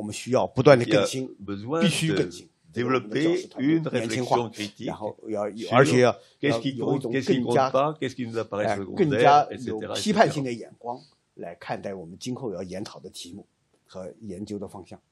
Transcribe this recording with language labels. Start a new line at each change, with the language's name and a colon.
Chinese: 更新，通过年轻人、年轻团队、年轻的教师的参与，然后我们需要不断的更新，必须更新。
French: Développer une réflexion critique sur qu'est-ce qui compte, qu'est-ce qui ne compte pas, qu'est-ce qui nous apparaît secondaire，
Chinese: 更加有批判性的眼光来看待我们今后要研讨的题目和研究的方向。